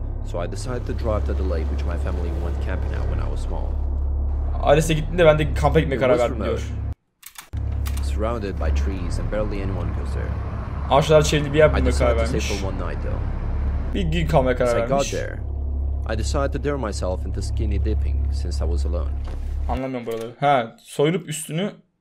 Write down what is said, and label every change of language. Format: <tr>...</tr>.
<en>So I decided to drive to the lake which my family went camping at when I was small.</en> <tr>Ailesi gittiğinde ben de kampa gitmeye karar verdim diyor.</tr> <en>Surrounded by trees and barely anyone goes there.</en> <tr>Ağaçlar çevrili bir yer bulmaya karar vermiş. Bir gün kalmaya karar vermiş.</tr> <en>As I got there, I decided to dare myself into skinny dipping since I was alone.</en> <tr>Anlamıyorum buraları. Ha, soyulup üstünü.</tr>